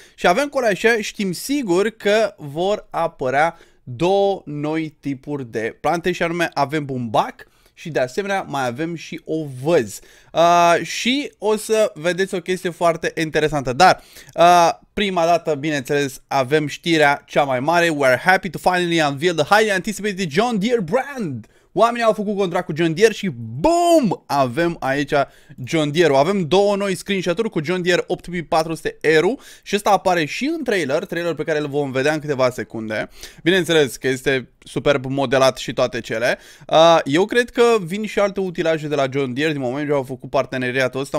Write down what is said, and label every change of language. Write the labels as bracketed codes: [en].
[ro] Și avem cu așa, știm sigur că vor apărea două noi tipuri de plante, și anume avem bumbac și de asemenea mai avem și ovăz. Și o să vedeți o chestie foarte interesantă. Dar prima dată, bineînțeles, avem știrea cea mai mare. [en] We are happy to finally unveil the highly anticipated John Deere brand. [ro] Oamenii au făcut contract cu John Deere și BOOM! Avem aici John Deere-ul. Avem două noi screenshot-uri cu John Deere 8400R-ul și ăsta apare și în trailer, trailer pe care îl vom vedea în câteva secunde. Bineînțeles că este superb modelat și toate cele. Eu cred că vin și alte utilaje de la John Deere din moment ce au făcut parteneriatul ăsta.